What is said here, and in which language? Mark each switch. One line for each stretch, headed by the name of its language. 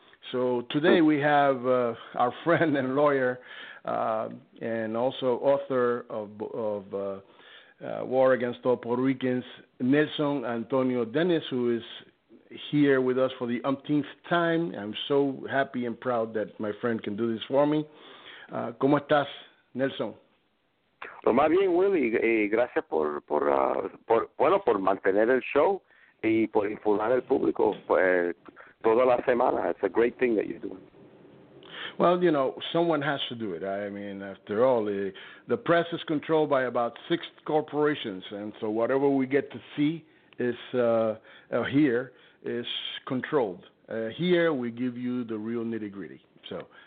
English: So today we have our friend and lawyer and also author of War Against All Puerto Ricans, Nelson Antonio Dennis, who is here with us for the umpteenth time. I'm so happy and proud that my friend can do this for me.
Spanish: ¿Cómo estás, Nelson? Lo más bien, Willy, gracias por mantener el show y por informar al público toda la semana.
English: It's a great thing that you're doing. Well, you know, someone has to do it. I mean, after all, the press is controlled by about 6 corporations, and so whatever we get to see is here is controlled. Here we give you the real nitty-gritty. So,